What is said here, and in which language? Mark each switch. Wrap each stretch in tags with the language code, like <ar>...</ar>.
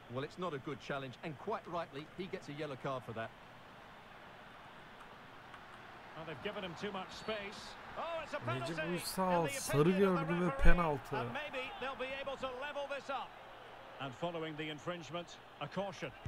<en>Well, it's not a good challenge, and quite rightly, he gets a yellow card for that. Well, they've given him too much space. Oh, it's a penalty.</en> <tr>Necip Uysal sarı gördü ve penaltı.</tr> <en>And maybe they'll be able to level this up. And following the infringement, a caution.</en>